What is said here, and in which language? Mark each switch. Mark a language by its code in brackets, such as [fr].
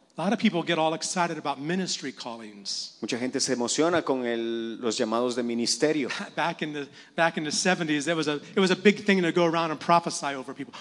[en] A lot of people get all excited about ministry callings. [es] Mucha gente se emociona con los llamados de ministerio. [en] Back in the 70s, it was a big thing to go around and prophesy over people.